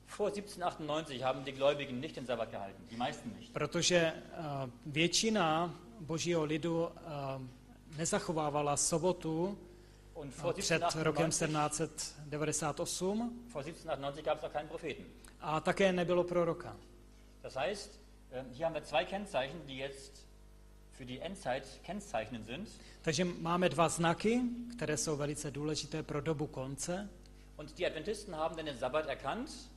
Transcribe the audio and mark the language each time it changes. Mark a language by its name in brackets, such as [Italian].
[German] Vor 1798 haben die Gläubigen nicht den Sabbat gehalten, die meisten nicht. [Czech] Protože většina božího lidu nezachovávala sobotu před rokem 1798. [German] Vor 1798 gab es auch keinen Propheten. [Czech] A také nebylo proroka. [German] Das heißt, hier haben wir zwei Kennzeichen, die jetzt für die Endzeit kennzeichnend sind. [Czech] Takže máme dva znaky, které jsou velice důležité pro dobu konce. [German] Und die Adventisten haben den Sabbat erkannt.